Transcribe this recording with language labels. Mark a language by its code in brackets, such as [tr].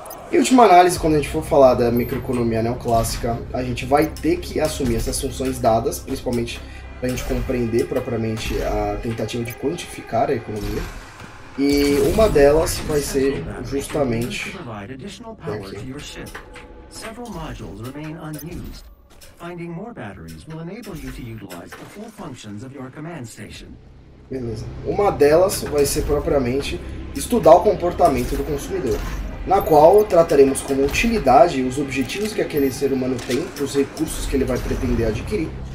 [pt] E última análise, quando a gente for falar da microeconomia neoclássica, a gente vai ter que assumir essas funções dadas, principalmente para a gente compreender propriamente a tentativa de quantificar a economia. E uma delas vai ser justamente aqui. [en] Several modules remain unused. Finding more batteries will enable you to utilize the full functions of your command station. [pt] Beleza. Uma delas vai ser propriamente estudar o comportamento do consumidor, na qual trataremos como utilidade os objetivos que aquele ser humano tem, os recursos que ele vai pretender adquirir,